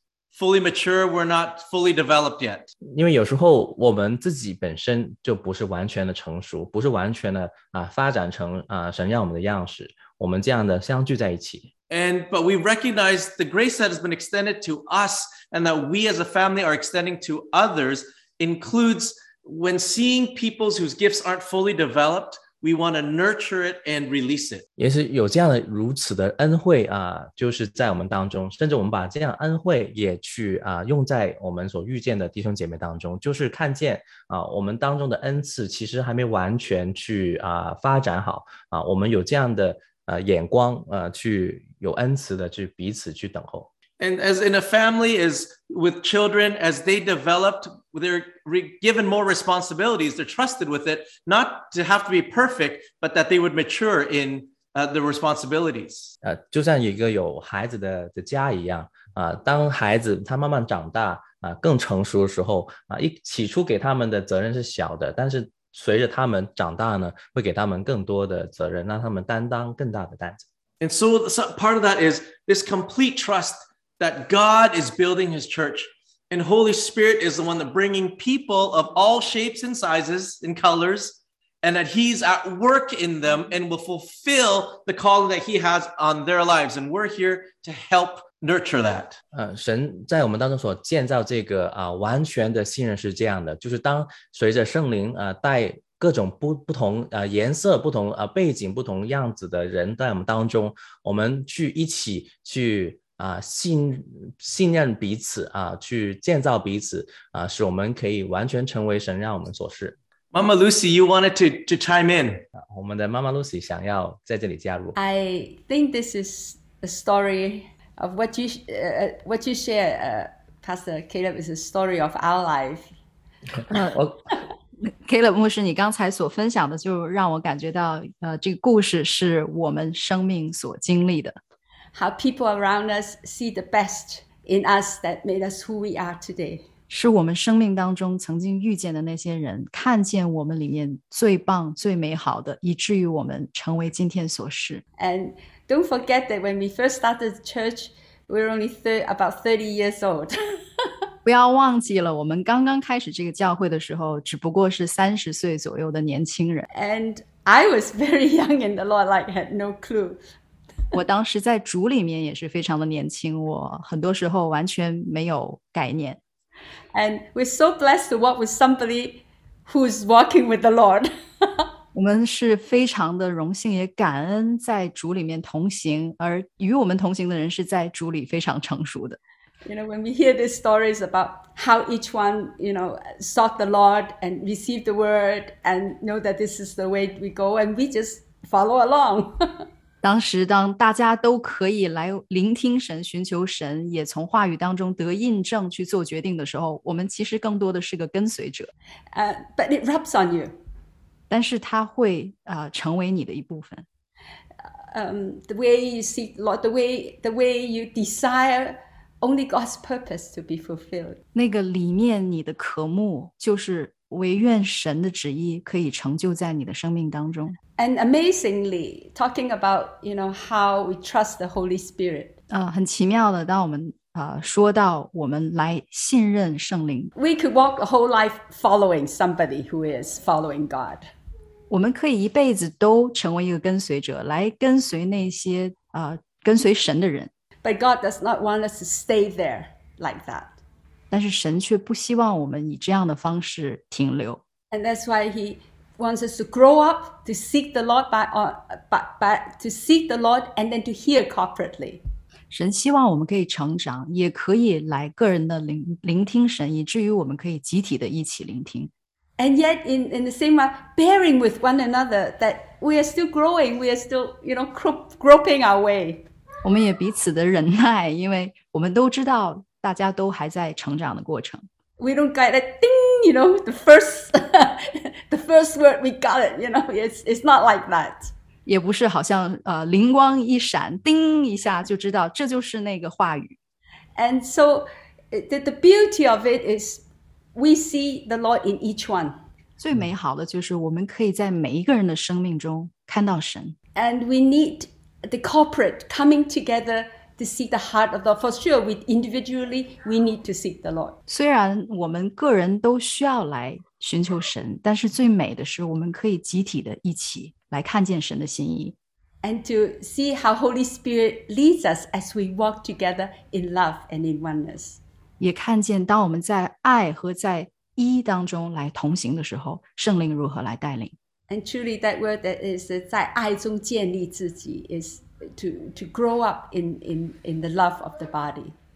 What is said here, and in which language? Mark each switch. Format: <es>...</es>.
<en>fully mature, we're not fully developed yet.</en> <zh>因为有时候我们自己本身就不是完全的成熟，不是完全的发展成神要我们的样式，我们这样的相聚在一起。</zh> <en>But we recognize the grace that has been extended to us and that we as a family are extending to others includes when seeing people whose gifts aren't fully developed, We want to nurture it and release it.</en> <zh>也是有这样的如此的恩惠啊，就是在我们当中，甚至我们把这样恩惠也去啊用在我们所遇见的弟兄姐妹当中，就是看见啊我们当中的恩赐其实还没完全去啊发展好啊，我们有这样的眼光去有恩赐的去彼此去等候。</zh> <en>And as in a family, as with children, as they developed, they're given more responsibilities, they're trusted with it, not to have to be perfect, but that they would mature in the responsibilities.</en> <zh>就像一个有孩子 的家一样，当孩子他慢慢长大，更成熟的时候，起初给他们的责任是小的，但是随着他们长大呢，会给他们更多的责任，让他们担当更大的担子。</zh> <en>And so, part of that is this complete trust that God is building his church and Holy Spirit is the one that bringing people of all shapes and sizes and colors and that he's at work in them and will fulfill the calling that he has on their lives. And we're here to help nurture that.</en> <zh>神在我们当中所建造这个完全的信任是这样的，就是当随着圣灵带各种 不同颜色不同背景不同样子的人在我们当中，我们去一起去信任彼此去建造彼此使我们可以完全成为神让我们所事。</zh> <en>Mama Lucy, you wanted to chime in.</en> <zh>我们的 Mama Lucy 想要在这里加入。</zh> <en>I think this is a story of what you share, Pastor Caleb, is a story of our life.</en> <zh>Caleb 牧师，你刚才所分享的就让我感觉到这个故事是我们生命所经历的。</zh> <en>How people around us see the best in us that made us who we are today.</en> <zh>是我们生命当中曾经遇见的那些人看见我们里面最棒最美好的以至于我们成为今天所是。</zh> <en>And don't forget that when we first started the church, we were only about 30 years old.</en> <zh>不要忘记了我们刚刚开始这个教会的时候只不过是30岁左右的年轻人。</zh> <en>And I was very young in the Lord, like had no clue.</en> <zh>我当时在主里面也是非常的年轻，我很多时候完全没有概念。</zh> <en>And we're so blessed to walk with somebody who's walking with the Lord.</en> <zh>我们是非常的荣幸，也感恩在主里面同行，而与我们同行的人是在主里非常成熟的。</zh> <en>You know, when we hear these stories about how each one, you know, sought the Lord and received the word and know that this is the way we go and we just follow along.</en> <zh>当时当大家都可以来聆听神寻求神也从话语当中得印证去做决定的时候我们其实更多的是个跟随者。</zh> <en>But it rubs on you.</en> <zh>但是它会成为你的一部分。</zh> <en>The way you see, Lord, the way you desire only God's purpose to be fulfilled.</en> <zh>那个里面你的渴慕就是唯愿神的旨意可以成就在你的生命当中。</zh> <en>And amazingly, talking about, you know, how we trust the Holy Spirit.</en> <zh>很奇妙的，当我们说到我们来信任圣灵。</zh> <en>We could walk a whole life following somebody who is following God.</en> <zh>我们可以一辈子都成为一个跟随者，来跟随那些跟随神的人。</zh> <en>But God does not want us to stay there like that.</en> <zh>但是神却不希望我们以这样的方式停留。</zh> <en>And that's why he... wants us to grow up to seek the Lord by to seek the Lord and then to hear corporately.</en> <zh>神希望我们可以成长，也可以来个人的聆听神，以至于我们可以集体的一起聆听。</zh> <en>And yet, in the same way, bearing with one another, that we are still growing, we are still, you know, groping our way.</en> <zh>我们也彼此的忍耐，因为我们都知道大家都还在成长的过程。</zh> <en>We don't get a ding, you know, the first word we got it, you know, it's not like that.</en> <zh>也不是好像灵光一闪，叮一下就知道这就是那个话语。</zh> <en>And so the beauty of it is we see the Lord in each one.</en> <zh>最美好的就是我们可以在每一个人的生命中看到神。</zh> <en>And we need the corporate coming together. To seek the heart of the Lord. For sure, we individually, we need to seek the Lord.</en> <zh>虽然我们个人都需要来寻求神，但是最美的是我们可以集体的一起来看见神的心意。</zh> <en>And to see how Holy Spirit leads us as we walk together in love and in oneness.</en> <zh>也看见当我们在爱和在一当中来同行的时候，圣灵如何来带领。</zh> <en>And truly that word that is</en> <zh>在爱中建立自己</zh> <en>is to grow up in the love of the body.</en>